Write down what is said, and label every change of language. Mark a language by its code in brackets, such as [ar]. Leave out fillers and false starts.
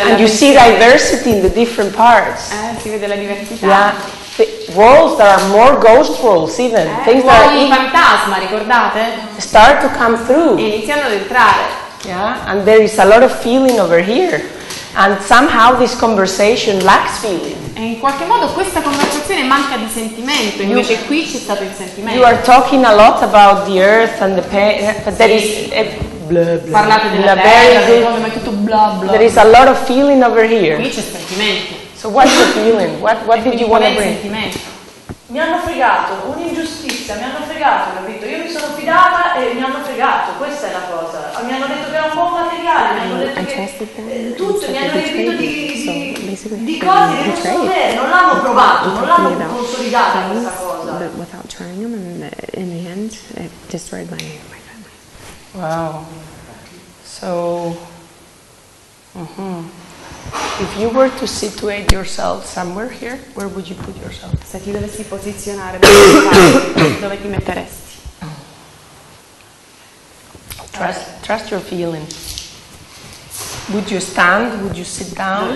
[en] and you see diversity in the different parts. [it] Si vede la diversità. [en] Yeah. worlds that are more ghost worlds even. Things that are [it] fantasma, ricordate? [en] Start to come through. [it] Iniziano ad entrare. [en] Yeah, and there is a lot of feeling over here. And somehow this conversation lacks feeling. [it] E in qualche modo questa conversazione manca di sentimento, invece qui c'è stato il sentimento. [en] You are talking a lot about the earth and the pain, but there is [it] parlate della terra, del mondo, ma tutto blah. [en] There is a lot of feeling over here. [it] Qui c'è sentimento. [en] So what's the feeling? What did you want to bring? [it] Mi hanno fregato, un'ingiustizia, mi hanno fregato, capito? Io mi sono fidata e mi hanno fregato, questa è la cosa. Mi hanno detto che era un buon materiale, mi hanno detto che tutto, mi hanno riempito di cose che non so bene, non l'hanno provato, non l'hanno consolidata questa cosa. Senza provare, in end, ha distrutto la mia famiglia. [en] Wow. So. If you were to situate yourself somewhere here, where would you put yourself? [it] Se ti dovessi posizionare, dove ti metteresti? [en] Trust your feeling. Would you stand? Would you sit down?